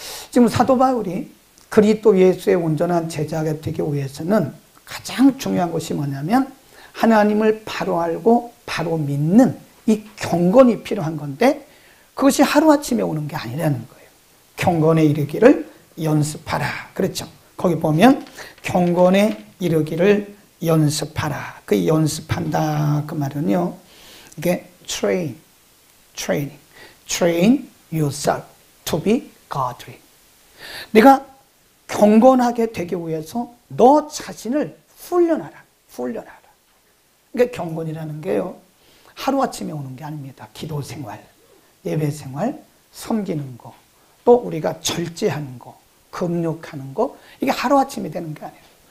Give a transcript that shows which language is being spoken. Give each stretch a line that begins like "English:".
Korean: 지금 사도 바울이 그리스도 예수의 온전한 제자가 되기 위해서는 가장 중요한 것이 뭐냐면 하나님을 바로 알고 바로 믿는 이 경건이 필요한 건데 그것이 하루아침에 오는 게 아니라는 거예요. 경건에 이르기를 연습하라. 그렇죠? 거기 보면 경건에 이르기를 연습하라. 그 연습한다. 그 말은요. 이게
English: train, training, train yourself to be godly.
Korean: 네가 경건하게 되기 위해서 너 자신을 훈련하라, 훈련하라. 그러니까 경건이라는 게요, 하루아침에 오는 게 아닙니다. 기도 생활, 예배 생활, 섬기는 거, 또 우리가 절제하는 거, 금욕하는 거, 이게 하루아침에 되는 게 아니에요.